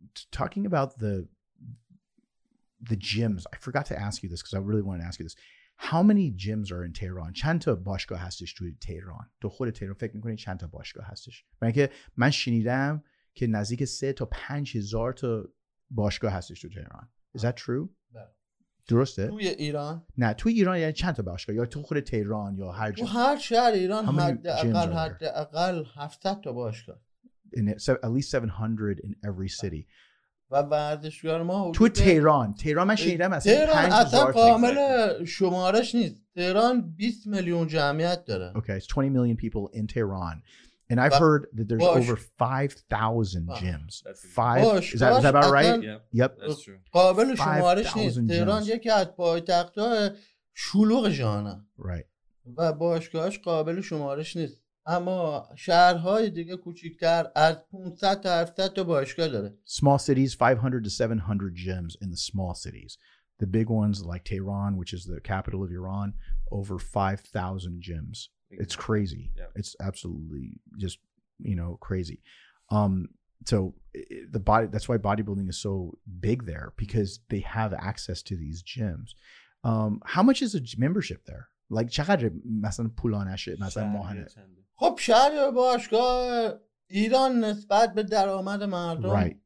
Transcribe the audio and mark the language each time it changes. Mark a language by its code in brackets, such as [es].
[en] Talking about the gyms. I forgot to ask you this because I really want to ask you this. How many gyms are in Tehran? [fa] چند تا باشگاه هستش توی تهران؟ تو خود تهران فکر می‌کنی چند تا باشگاه هستش؟ من شنیدم که نزدیک 3,000 to 5,000 تا باشگاه هستش توی تهران. [en] Is that true? [fa] بله. درسته؟ توی ایران؟ نه، توی ایران یعنی چند تا باشگاه، یا تو خود تهران یا هر جا؟ هر شهر ایران حداقل 700 تا باشگاه. [en] At least 700 in every city. [fa] و ورزشگاه ما تو تهران من شنیدم از تهران اصلا کامل شمارش نیست. تهران 20 میلیون جمعیت داره. [en] Okay, it's 20 million people in Tehran. And I've heard that there's over 5,000 gyms. Is that about right? Yeah. Yep. That's true. [fa] قابل شمارش نیست. تهران یکی از پایتخت‌های شلوغ جهانه. [en] Right. [fa] و باشگاهش قابل شمارش نیست. اما شهرهای دیگه کوچیک‌تر از 500 تا 700 تا باشگاه داره. [en] Small cities, 500 to 700 gyms in the small cities. The big ones like Tehran, which is the capital of Iran, over 5,000 gyms. Exactly. It's crazy. Yeah. It's absolutely just, you know, crazy. So the body, that's why bodybuilding is so big there, because they have access to these gyms. How much is a membership there? [fa] Like چقدر مثلا پولانش مثلا ماهانه؟ خب شهر یا باشگاه ایران نسبت به درآمد مردم right.